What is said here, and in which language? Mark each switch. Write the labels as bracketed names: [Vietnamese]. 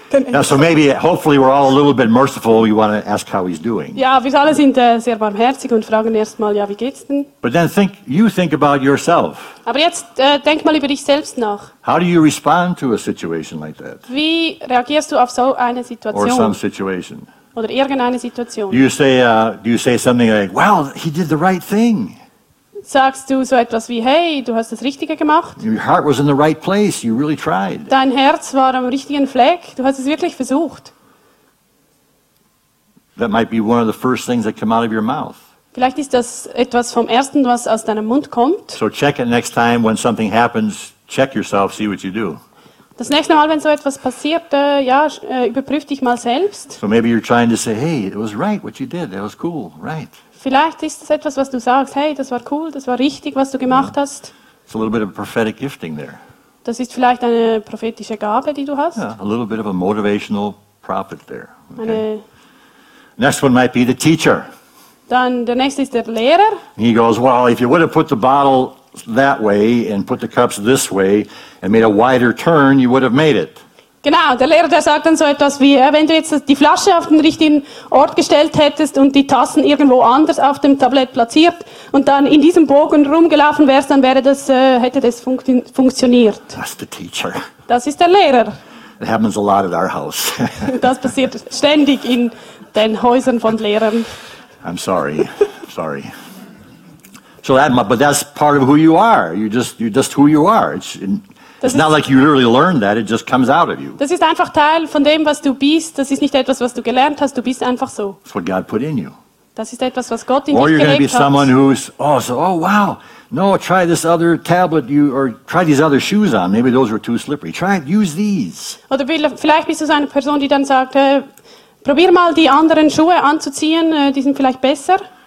[English] Now, so maybe, hopefully, we're all a little bit merciful. We want to ask how he's doing. [German] Ja, wir alle sind sehr barmherzig und fragen erstmal, ja, wie geht's denn? [English] But then think about yourself. [German] Aber jetzt denk mal über dich selbst nach. [English] How do you respond to a situation like that? [German] Wie reagierst du auf so eine Situation? [English] Or some situation. [German] Oder irgendeine Situation. [English] Do you say something like, "Well, he did the right thing." [German] Sagst du so etwas wie, hey, du hast das Richtige gemacht? [English] Your heart was in the right place. You really tried. [German] Dein Herz war am richtigen Fleck. Du hast es wirklich versucht. [English] That might be one of the first things that come out of your mouth. [German] Vielleicht ist das etwas vom Ersten, was aus deinem Mund kommt. [English] So check it next time when something happens. Check yourself, see what you do. [German] Das nächste Mal, wenn so etwas passiert, überprüf dich mal selbst. [English] So maybe you're trying to say, hey, it was right what you did. That was cool, right? [German] Vielleicht ist es etwas, was du sagst, hey, das war cool, das war richtig, was du gemacht hast. [English] It's a little bit of a prophetic gifting there. [German] Das ist vielleicht eine prophetische Gabe, die du hast. [English] Yeah, a little bit of a motivational prophet there. Okay. Next one might be the teacher. [German] Dann der nächste ist der Lehrer. [English] He goes, well, if you would have put the bottle that way and put the cups this way and made a wider turn, you would have made it. [German] Genau, der Lehrer, der sagt dann so etwas wie, wenn du jetzt die Flasche auf den richtigen Ort gestellt hättest und die Tassen irgendwo anders auf dem Tablett platziert und dann in diesem Bogen rumgelaufen wärst, dann wäre das, hätte das funktioniert. [English] That's the teacher. [German] Das ist der Lehrer. [English] It happens a lot at our house. [German] Das passiert ständig in den Häusern von Lehrern. [English] I'm sorry, sorry. So but that's part of who you are. You're just who you are. It's not like you literally learned that, it just comes out of you. [German] Das ist einfach Teil von dem, was du bist. Das ist nicht etwas, was du gelernt hast. Du bist einfach so. [English] It's what God put in you. [German] Das ist etwas, was Gott in dich gelegt hat. [English] Or you're going to be someone who's, oh, so, oh, wow. No, try this other tablet, you, or try these other shoes on. Maybe those were too slippery. Try it, use these. [German] Oder vielleicht bist du so eine Person, die dann sagt, probier mal die anderen Schuhe anzuziehen, die sind vielleicht besser.